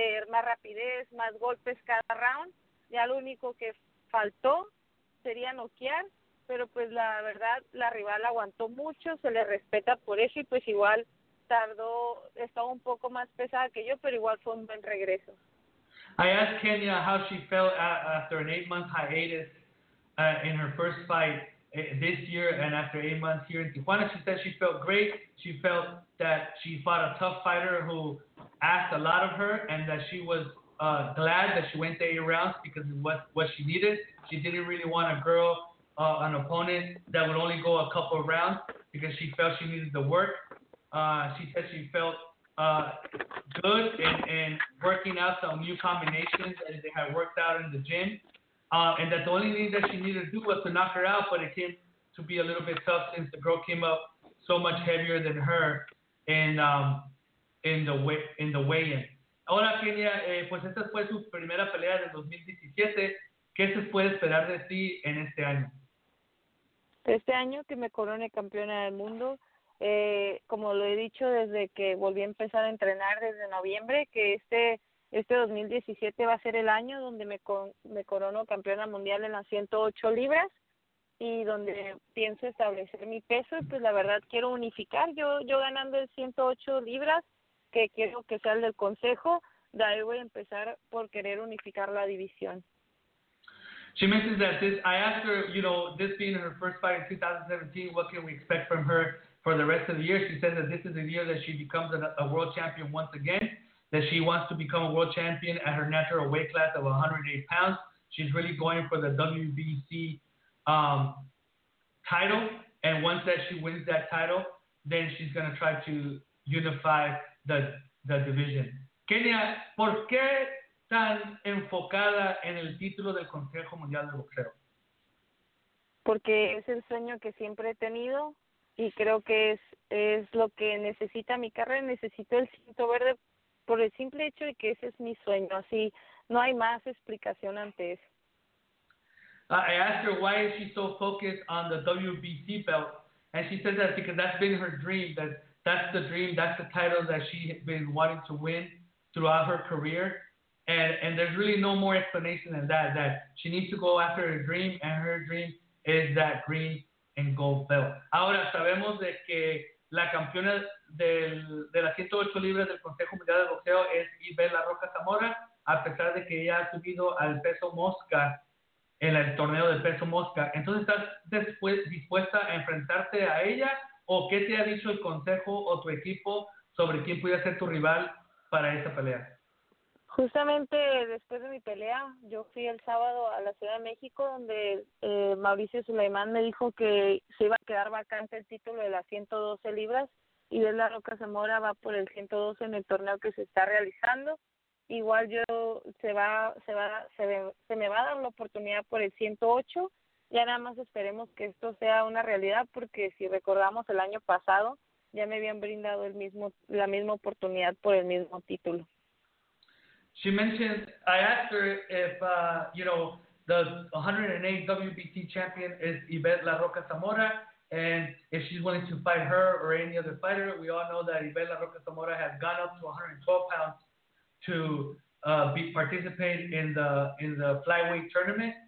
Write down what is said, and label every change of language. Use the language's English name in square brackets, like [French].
[Spanish] Más rapidez, más golpes cada round. Ya lo único que faltó sería noquear, pero pues la verdad la rival aguantó mucho, se le respeta por eso, y pues igual tardó, estaba un poco más pesada que yo, pero igual fue un buen regreso. [English] I asked Kenya how she felt after an 8-month hiatus in her first fight this year, and after 8 months here in Tijuana, she said she felt great. She felt that she fought a tough fighter who asked a lot of her, and that she was glad that she went the 8 rounds because it was what she needed. She didn't really want a girl, an opponent that would only go a couple of rounds, because she felt she needed the work. She said she felt good in working out some new combinations that they had worked out in the gym. And that the only thing that she needed to do was to knock her out, but it came to be a little bit tough since the girl came up so much heavier than her in the weigh-in. [Spanish] Hola, Kenya. Pues esta fue tu primera pelea de 2017. ¿Qué se puede esperar de ti en este año? Este año que me corone campeona del mundo, como lo he dicho desde que volví a empezar a entrenar desde noviembre, que este 2017 va a ser el año donde me corono campeona mundial en las 108 libras y donde pienso establecer mi peso. Y pues la verdad quiero unificar, yo ganando el 108 libras, que quiero que sea el del consejo, de ahí voy a empezar por querer unificar la división. [English] She mentions that this, I asked her, you know, this being her first fight in 2017, what can we expect from her for the rest of the year? She says that this is the year that she becomes a world champion once again, that she wants to become a world champion at her natural weight class of 108 pounds. She's really going for the WBC title. And once that she wins that title, then she's going to try to unify the division. [Spanish] Kenya, ¿por qué tan enfocada en el título del Consejo Mundial de Boxeo? Porque es el sueño que siempre he tenido y creo que es lo que necesita mi carrera. Necesito el cinto verde por el simple hecho de que ese es mi sueño. Así, no hay más explicación ante eso. [English] I asked her why is she so focused on the WBC belt, and she said that because that's been her dream, that's the dream, that's the title that she has been wanting to win throughout her career, and there's really no more explanation than that she needs to go after her dream, and her dream is that green and gold belt. [Spanish] Ahora sabemos de que la campeona de la 108 libras del Consejo Mundial de Boxeo es Isabella Roca Zamora, a pesar de que ella ha subido al peso mosca en el torneo de peso mosca. Entonces, ¿estás después dispuesta a enfrentarte a ella? ¿O qué te ha dicho el consejo o tu equipo sobre quién pudiera ser tu rival para esa pelea? Justamente después de mi pelea, yo fui el sábado a la Ciudad de México, donde Mauricio Sulaimán me dijo que se iba a quedar vacante el título de las 112 libras, y de la Roca Zamora va por el 112 en el torneo que se está realizando. Igual yo se me va a dar la oportunidad por el 108, ya nada más esperemos que esto sea una realidad, porque si recordamos el año pasado ya me habían brindado la misma oportunidad por el mismo título. [English] she mentioned, I asked her if, you know, the 108 WBC champion is Yvette La Roca Zamora, and if she's willing to fight her or any other fighter. We all know that Yvette La Roca Zamora has gone up to 112 pounds to be participate in the flyweight tournament.